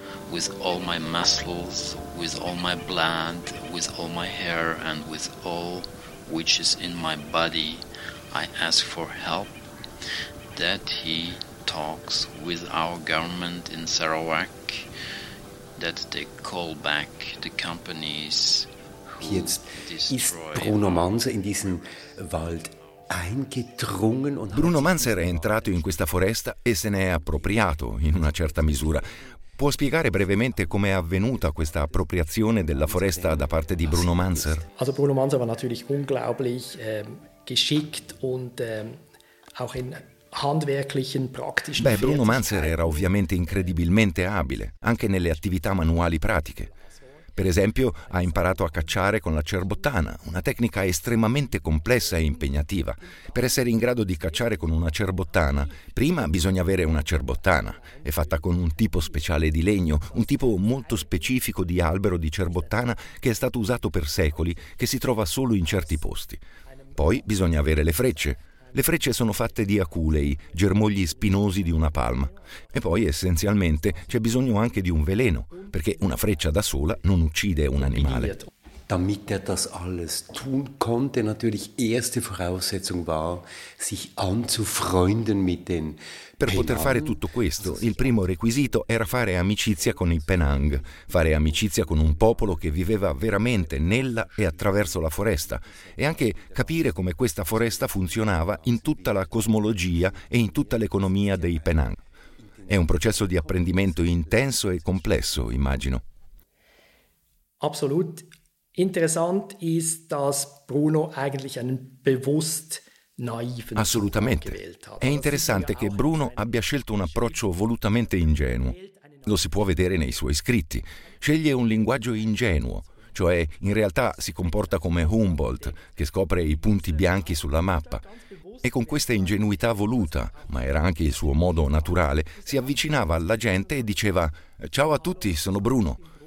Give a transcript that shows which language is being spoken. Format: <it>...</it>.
<en>With all my muscles, with all my blood, with all my hair and with all which is in my body, I ask for help. That he talks with our government in Sarawak, that they call back the companies who jetzt destroy.</en> <de>Bruno Manser in diesen Wald eingedrungen und</de> <it>Bruno Manser è entrato in questa foresta e se ne è appropriato in una certa misura. Può spiegare brevemente come è avvenuta questa appropriazione della foresta da parte di Bruno Manser?</it> <de>Also Bruno Manser war natürlich unglaublich geschickt und auch in handwerklichen praktischen.</de> <it>Beh, Bruno Manser era ovviamente incredibilmente abile, anche nelle attività manuali pratiche. Per esempio, ha imparato a cacciare con la cerbottana, una tecnica estremamente complessa e impegnativa. Per essere in grado di cacciare con una cerbottana, prima bisogna avere una cerbottana. È fatta con un tipo speciale di legno, un tipo molto specifico di albero di cerbottana che è stato usato per secoli, che si trova solo in certi posti. Poi bisogna avere le frecce. Le frecce sono fatte di aculei, germogli spinosi di una palma. E poi, essenzialmente, c'è bisogno anche di un veleno, perché una freccia da sola non uccide un animale.</it> <de>Damit er das alles tun konnte, natürlich erste Voraussetzung war, sich anzufreunden mit den Penang.</de> <it>Per poter fare tutto questo, il primo requisito era fare amicizia con i Penang, fare amicizia con un popolo che viveva veramente nella e attraverso la foresta, e anche capire come questa foresta funzionava in tutta la cosmologia e in tutta l'economia dei Penang. È un processo di apprendimento intenso e complesso, immagino.</it> <de>Absolut. Interessant ist, dass Bruno eigentlich einen bewusst naiven</de> <it>Assolutamente. È interessante che Bruno abbia scelto un approccio volutamente ingenuo. Lo si può vedere nei suoi scritti. Sceglie un linguaggio ingenuo, cioè in realtà si comporta come Humboldt, che scopre i punti bianchi sulla mappa. E con questa ingenuità voluta, ma era anche il suo modo naturale, si avvicinava alla gente e diceva: «Ciao a tutti, sono Bruno».</it>